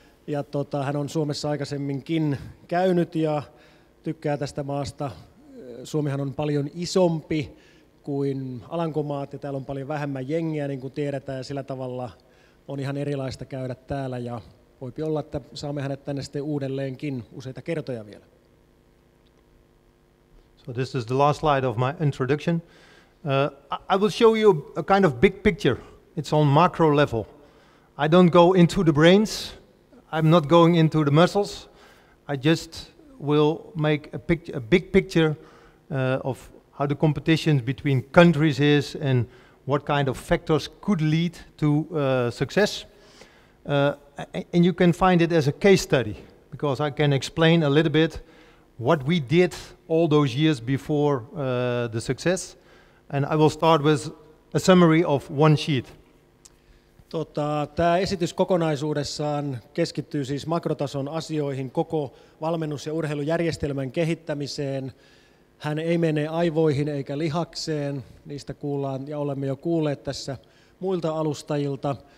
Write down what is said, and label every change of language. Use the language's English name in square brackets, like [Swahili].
[Finnish] Ja hän on Suomessa aikaisemminkin käynyt ja tykkää tästä maasta. Suomihan on paljon isompi kuin Alankomaat ja täällä on paljon vähemmän jengiä, niin kuin tiedetään. Ja sillä tavalla on ihan erilaista käydä täällä. Ja voipi olla, että saamme hänet tänne sitten uudelleenkin useita kertoja vielä. [English] So this is the last slide of my introduction. I will show you a kind of big picture. It's on macro level. I don't go into the brains. I'm not going into the muscles. I just will make a big picture of how the competition between countries is and what kind of factors could lead to success. And you can find it as a case study because I can explain a little bit what we did all those years before the success. And I will start with a summary of one sheet. [Finnish] Tämä esitys kokonaisuudessaan keskittyy siis makrotason asioihin, koko valmennus- ja urheilujärjestelmän kehittämiseen. Hän ei mene aivoihin eikä lihakseen, niistä kuullaan ja olemme jo kuulleet tässä muilta alustajilta.